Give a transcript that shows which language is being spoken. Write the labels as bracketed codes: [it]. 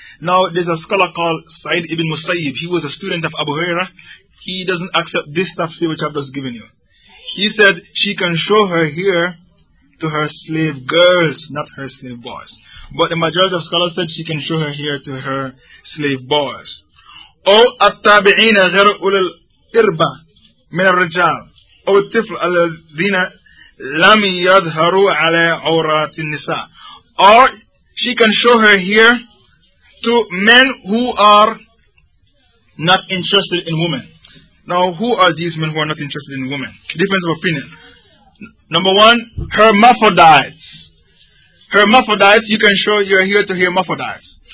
[en] Now, there's a scholar called Sa'id ibn Musayyib. He was a student of Abu Hurairah. He doesn't accept this tafsir which I've just given you. He said she can show her hair to her slave girls, not her slave boys. But the majority of scholars said she can show her hair to her slave boys. [ar] أو التابعين غير أولي الإربة من الرجال أو الطفل الذين لم يظهروا على عورات النساء. [en] Or she can show her hair to men who are not interested in women. Now, who are these men who are not interested in women? Difference of opinion. Number one, hermaphrodites. Hermaphrodites, you can show your hair to hermaphrodites.